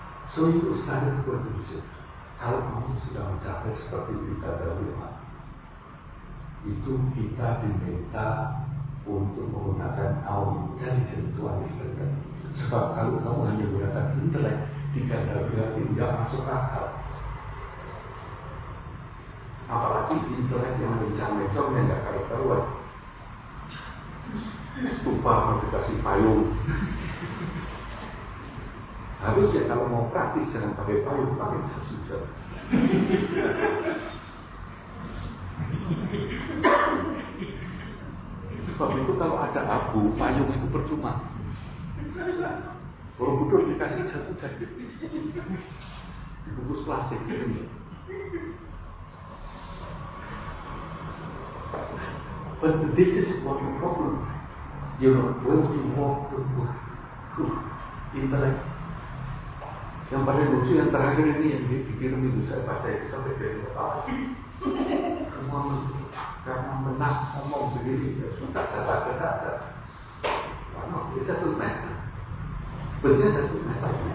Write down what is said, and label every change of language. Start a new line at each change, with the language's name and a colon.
English: So you started to work with yourself.
Indonesian: Kalau kamu sudah mencapai seperti kita dari Tuhan, itu kita diminta untuk menggunakan
English: our intelligence to understand that.
Indonesian: Sebab kalau kamu hanya menggunakan intelek, dikatakan tidak masuk akal. Apalagi intelek yang mencang-mencang yang tidak karu-karuan. Stupa mau dikasih payung. Harusnya kalau mau praktis jangan pakai payung, pakai jas hujan. Sebab itu kalau ada abu, payung itu percuma. Kalau budur dikasih jas hujan, dibungkus plastik.
English: But this is one problem. You know, when you walk to intellect.
Indonesian: Yang paling lucu yang terakhir ini yang dikirim itu saya baca itu sampai dari kepala. Semua karena menang ngomong sendiri ya sudah cacat. Karena kita semangat. Sebenarnya ada semangat.